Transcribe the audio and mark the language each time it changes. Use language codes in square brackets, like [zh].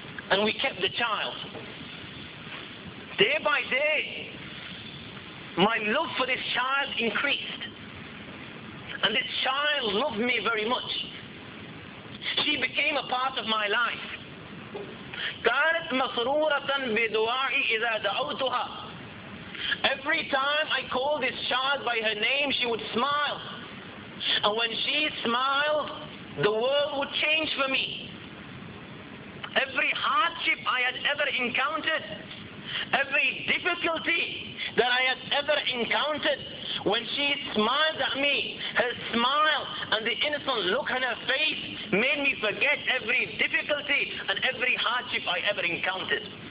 [en] And we kept the child. Day by day, my love for this child increased. And this child loved me very much. She became a part of my life. [ar] كانت مسرورة بدعائي إذا دعوتها. [en] Every time I called this child by her name, she would smile. And when she smiled, the world would change for me. Every hardship I had ever encountered, every difficulty that I had ever encountered, when she smiled at me, her smile and the innocent look on her face made me forget every difficulty and every hardship I ever encountered.